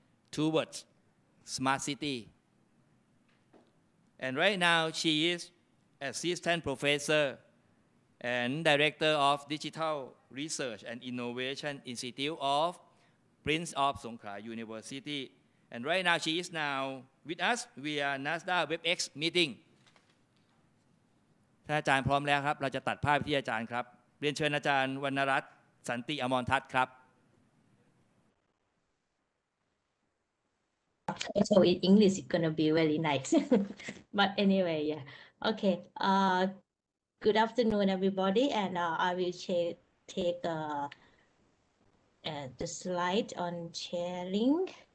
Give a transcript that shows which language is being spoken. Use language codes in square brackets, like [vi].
[en] towards smart city. And right now she is assistant professor and director of Digital Research and Innovation Institute of Prince of Songkhla University. And right now she is now with us via NASDA WebEx meeting. [th] ท่านอาจารย์พร้อมแล้วครับเราจะตัดภาพที่อาจารย์ครับเรียนเชิญอาจารย์วรรณรัตน์สันติอมรทัศน์ครับ [en] So in English, it's going to be really nice. But anyway, yeah. Okay. Good afternoon, everybody. And I will take the slide on sharing.